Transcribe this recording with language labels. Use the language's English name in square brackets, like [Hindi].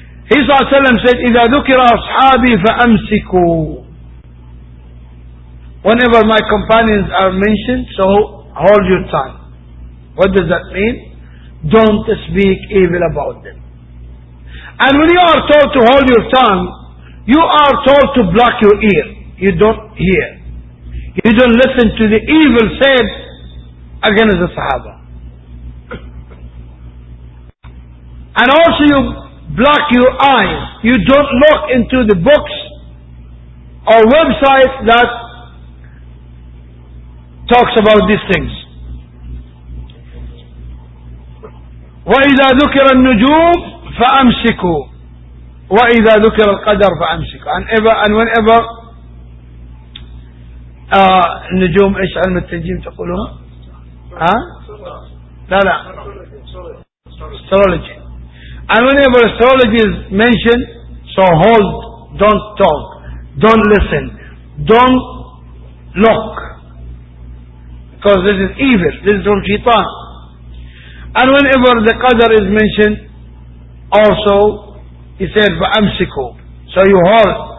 [Arabic] He said, إِذَا ذُكِرَ أَصْحَابِي فَأَمْسِكُوا. [English] Whenever my companions are mentioned, so hold your tongue. What does that mean? Don't speak evil about them. And when you are told to hold your tongue, you are told to block your ear. You don't hear. You don't listen to the evil said against the Sahaba. And also you block your eyes. You don't look into the books or websites that talks about these things. [Arabic] وَإِذَا ذُكِرَ النُّجُومُ فَأَمْسِكُوا وَإِذَا ذُكِرَ الْقَدَرُ فَأَمْسِكُوا. [English] And whenever [Arabic] النجوم إيش علم التنجيم تقولون؟ ها؟ لا لا. [English] Astrology. And whenever astrology is mentioned, so hold, don't talk, don't listen, don't look. Because this is evil, this is from shaitan. And whenever the qadr is mentioned, also, he said, [Arabic] فَأَمْسِكُوا. [English] So you hold.